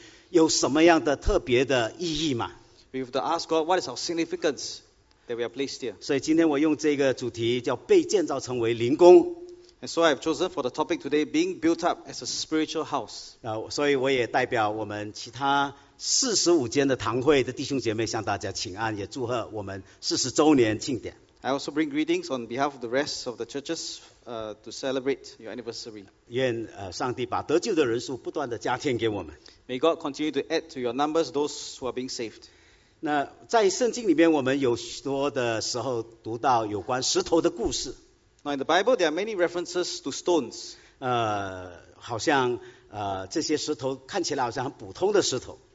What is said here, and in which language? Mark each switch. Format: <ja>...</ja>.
<zh>我们要在庆祝的时候再想起上帝要我们教会在这里有什么样的特别的意义吗?</zh> <en>We have to ask God, what is our significance that we are placed here?</en> <zh>所以今天我用这个主题叫被建造成为灵宫.</zh> <en>And so I've chosen for the topic today, being built up as a spiritual house.</en> <zh>所以我也代表我们其他45间的堂会的弟兄姐妹向大家请安，也祝贺我们40周年庆典。</zh> <en>I also bring greetings on behalf of the rest of the churches to celebrate your anniversary.</en> <zh>愿上帝把得救的人数不断地加添给我们。</zh> <en>May God continue to add to your numbers those who are being saved.</en> <zh>那在圣经里面，我们有许多的时候读到有关石头的故事。</zh> <en>Now in the Bible, there are many references to stones.</en> <zh>好像这些石头看起来好像很普通的石头。</zh>